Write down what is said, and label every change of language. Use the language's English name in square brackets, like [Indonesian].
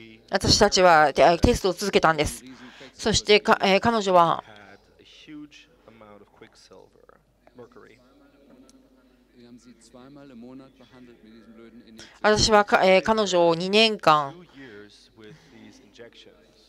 [Japanese] 私たちはテストを続けたんです。そして彼女は、 [English] had a huge amount of quicksilver, mercury. [German] Wir haben sie zweimal im Monat behandelt mit diesem blöden [Japanese] Injektion. 私は彼女を2年間、 [English] two years with these injections.